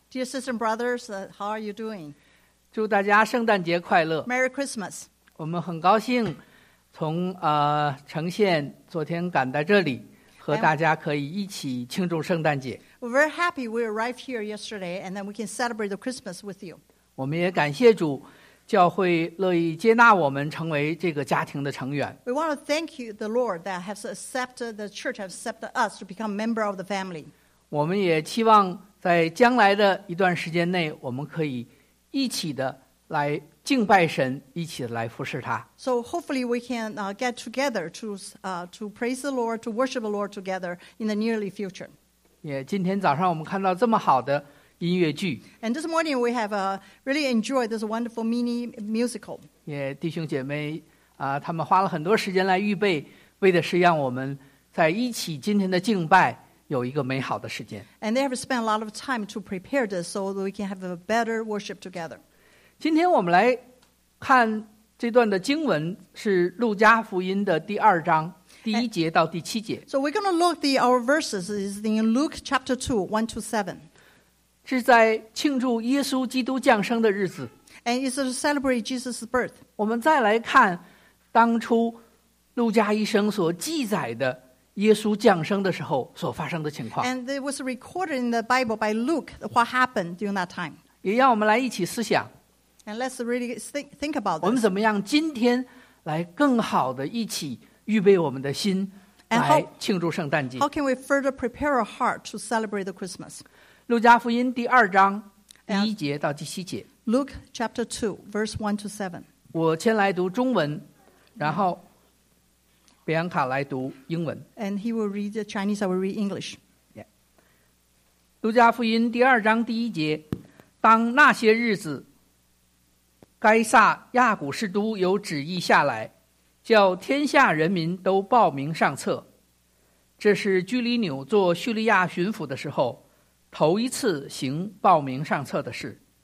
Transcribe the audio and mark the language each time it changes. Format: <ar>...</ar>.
<en>Dear sisters and brothers, how are you doing?</en> <zh>祝大家圣诞节快乐。</zh> <en>Merry Christmas.</en> <zh>我们很高兴从呈现昨天赶在这里，和大家可以一起庆祝圣诞节。</zh> <en>We're very happy we arrived here yesterday, and then we can celebrate the Christmas with you.</en> <zh>我们也感谢主，教会乐意接纳我们成为这个家庭的成员。</zh> <en>We want to thank you, the Lord, that has accepted the church, has accepted us to become a member of the family.</en> <zh>我们也期望在将来的一段时间内，我们可以一起的来敬拜神，一起的来服侍他。</zh> <en>So hopefully we can get together to praise the Lord, to worship the Lord together in the nearly future.</en> <zh>也今天早上我们看到这么好的音乐剧。</zh> <en>And this morning we have really enjoyed this wonderful mini musical.</en> <zh>也弟兄姐妹他们花了很多时间来预备，为的是让我们在一起今天的敬拜。有一个美好的时间。</zh> <en>And they have spent a lot of time to prepare this so that we can have a better worship together.</en> <zh>今天我们来看这段的经文是《路加福音》的第二章第一节到第七节。</zh> <en>So we're going to look at our verses is in Luke chapter 2, 1 to 7.</en> <zh>是在庆祝耶稣基督降生的日子。</zh> <en>And it's to celebrate Jesus' birth.</en> <zh>我们再来看当初路加医生所记载的耶稣降生的时候所发生的情况。</zh> <en>And it was recorded in the Bible by Luke what happened during that time.</en> <zh>也让我们来一起思想。</zh> <en>And let's really think about this.</en> <zh>我们怎么样今天来更好的一起预备我们的心来庆祝圣诞节。</zh> <en>How can we further prepare our heart to celebrate the Christmas?</en> <zh>路加福音第二章第一节到第七节。</zh> <en>Luke chapter 2, verse 1 to 7.</en> <zh>我先来读中文，然后比安卡来读英文。</zh> <en>And he will read the Chinese, I will read English. Yeah.</en> <zh>路加福音第二章第一节，当那些日子，该撒亚古士都有旨意下来，叫天下人民都报名上册。这是居里纽做叙利亚巡抚的时候，头一次行报名上册的事。</zh>